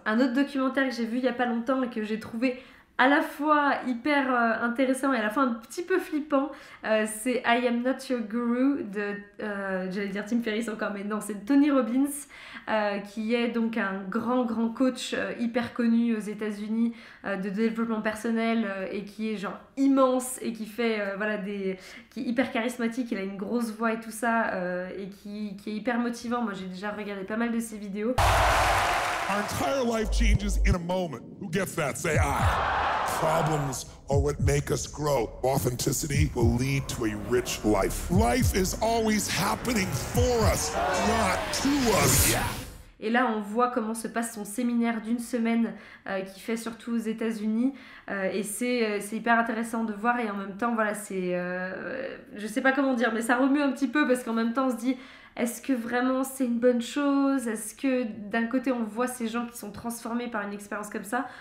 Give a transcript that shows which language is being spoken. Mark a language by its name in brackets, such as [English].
[French] Un autre documentaire que j'ai vu il y a pas longtemps et que j'ai trouvé à la fois hyper intéressant et à la fois un petit peu flippant, c'est I Am Not Your Guru j'allais dire Tim Ferriss encore, mais non, c'est Tony Robbins, qui est donc un grand, grand coach hyper connu aux États-Unis de développement personnel, et qui est genre immense et qui fait, qui est hyper charismatique, il a une grosse voix et tout ça, et qui est hyper motivant. Moi, j'ai déjà regardé pas mal de ses vidéos. [English] Our entire life changes in a moment. Who gets that? Say I. Problems are what make us grow. Authenticity will lead to a rich life. Life is always happening for us, not to us. Yeah. [French] Et là, on voit comment se passe son séminaire d'une semaine qu'il fait surtout aux États-Unis. Et c'est hyper intéressant de voir. Et en même temps, voilà, c'est. Je sais pas comment dire, mais ça remue un petit peu parce qu'en même temps, on se dit. Est-ce que vraiment c'est une bonne chose? Est-ce que d'un côté on voit ces gens qui sont transformés par une expérience comme ça?